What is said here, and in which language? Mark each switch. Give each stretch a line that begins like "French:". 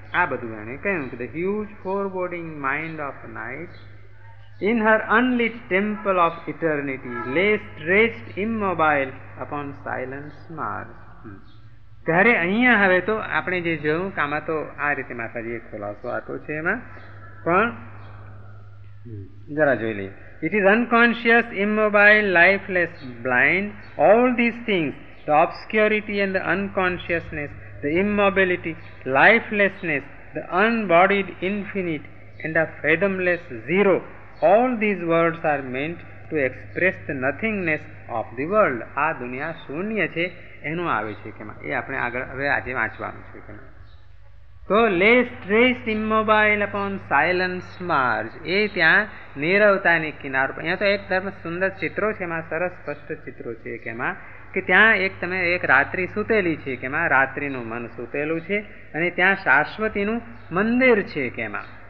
Gujarati: આ બધું એણે કહ્યું કે
English: The huge foreboding mind of night in her unlit temple of eternity lay stretched immobile upon silence marge.
Gujarati: ત્યારે અહીંયા હવે તો આપણે જે જોયું કે આમાં તો આ રીતે માતાજીએ ખુલાસો આપ્યો છે એમાં, પણ જરા જોઈ લઈએ.
English: It is unconscious, immobile, lifeless, blind, all these things, the obscurity and the unconsciousness, the immobility, lifelessness, the unbodied infinite and the fathomless zero, all these words are meant to express the nothingness of the world.
Gujarati: આ દુનિયા શૂન્ય છે એનું આવે છે કેમાં, એ આપણે આગળ હવે આજે વાંચવાનું છે કેમાં. તો
English: lay stressed immobile upon silence marge,
Gujarati: એ ત્યાં નીરવતાની કિનાર પર. અહીંયા તો એક ધર્મ સુંદર ચિત્રો છે એમાં, સરસ સ્પષ્ટ ચિત્રો છે કેમાં, કે ત્યાં એક તમે એક રાત્રિ સૂતેલી છે કેમાં, રાત્રિનું મન સૂતેલું છે અને ત્યાં શાશ્વતીનું મંદિર છે કેમાં.